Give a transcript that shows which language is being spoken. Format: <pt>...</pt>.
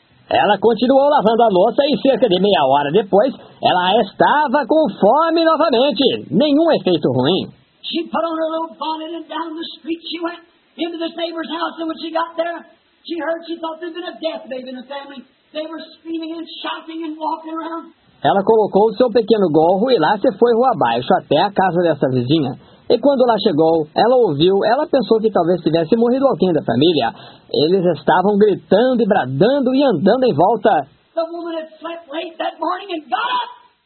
<pt>Ela continuou lavando a louça e cerca de meia hora depois, ela estava com fome novamente. Nenhum efeito ruim.</pt> <en>She put on her little bonnet and down the street she went into this neighbor's house. And when she got there, she heard, she thought there'd been a death baby in the family. They were screaming and shouting and walking around.</en> <pt>Ela colocou o seu pequeno gorro e lá se foi rua abaixo até a casa dessa vizinha. E quando lá chegou, ela ouviu, ela pensou que talvez tivesse morrido alguém da família. Eles estavam gritando e bradando e andando em volta.</pt> <en>The woman had slept late that morning and got up.</en>